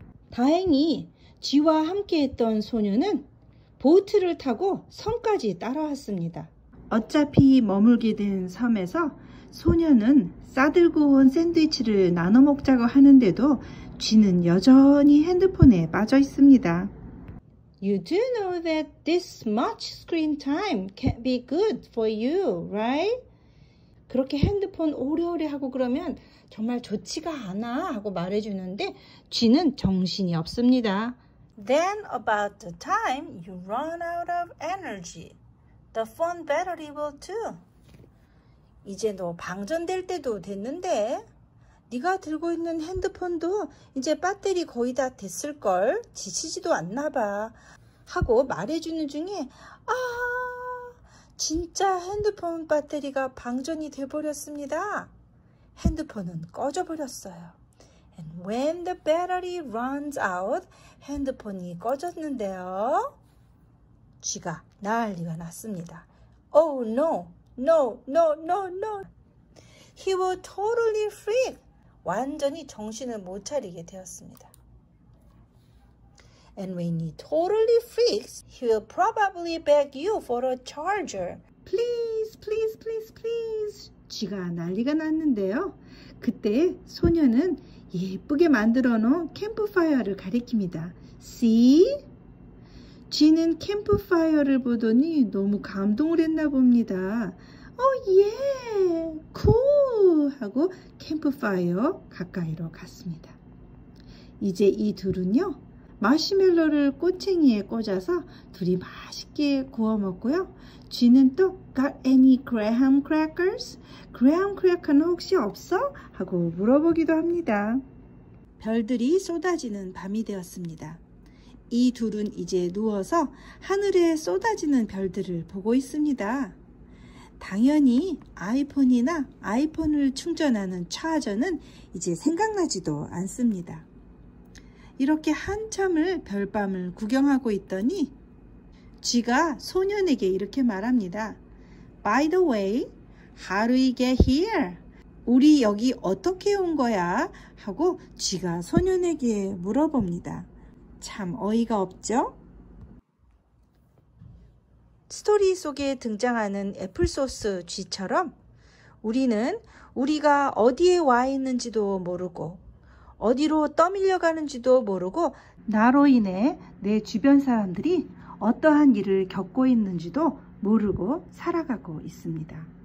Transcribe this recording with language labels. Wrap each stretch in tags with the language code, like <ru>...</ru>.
<ko>다행히 쥐와 함께 했던 소녀는 보트를 타고 섬까지 따라왔습니다. 어차피 머물게 된 섬에서 소녀는 싸들고 온 샌드위치를 나눠 먹자고 하는데도 쥐는 여전히 핸드폰에 빠져 있습니다.</ko> <en>You do know that this much screen time can't be good for you, right?</en> <ko>그렇게 핸드폰 오래오래 하고 그러면 정말 좋지가 않아 하고 말해주는데 쥐는 정신이 없습니다.</ko> <en>Then about the time you run out of energy, the phone battery will too.</en> <ko>이제 너 방전될 때도 됐는데 네가 들고 있는 핸드폰도 이제 배터리 거의 다 됐을걸? 지치지도 않나 봐. 하고 말해주는 중에 아 진짜 핸드폰 배터리가 방전이 돼버렸습니다. 핸드폰은 꺼져버렸어요.</ko> <en>And when the battery runs out,</en> <ko>핸드폰이 꺼졌는데요. 쥐가 난리가 났습니다.</ko> <en>Oh no, no, no, no, no. He will totally freak.</en> <ko>완전히 정신을 못 차리게 되었습니다.</ko> <en>And when he totally freaks, he will probably beg you for a charger. Please, please, please, please.</en> <ko>쥐가 난리가 났는데요. 그때 소녀는 예쁘게 만들어 놓은 캠프파이어를 가리킵니다.</ko> <en>See?</en> <ko>쥐는 캠프파이어를 보더니 너무 감동을 했나 봅니다.</ko> <en>Oh yeah! Cool!</en> <ko>하고 캠프파이어 가까이로 갔습니다. 이제 이 둘은요. 마시멜로를 꼬챙이에 꽂아서 둘이 맛있게 구워 먹고요. 쥐는 또</ko> <en>Got any graham crackers?</en> <ko>Graham cracker는 혹시 없어? 하고 물어보기도 합니다. 별들이 쏟아지는 밤이 되었습니다. 이 둘은 이제 누워서 하늘에 쏟아지는 별들을 보고 있습니다. 당연히 아이폰이나 아이폰을 충전하는 차저는 이제 생각나지도 않습니다. 이렇게 한참을 별밤을 구경하고 있더니 쥐가 소년에게 이렇게 말합니다.</ko> <en>By the way, how do we get here?</en> <ko>우리 여기 어떻게 온 거야? 하고 쥐가 소년에게 물어봅니다. 참 어이가 없죠? 스토리 속에 등장하는 애플소스 쥐처럼 우리는 우리가 어디에 와 있는지도 모르고 어디로 떠밀려가는지도 모르고 나로 인해 내 주변 사람들이 어떠한 일을 겪고 있는지도 모르고 살아가고 있습니다.</ko>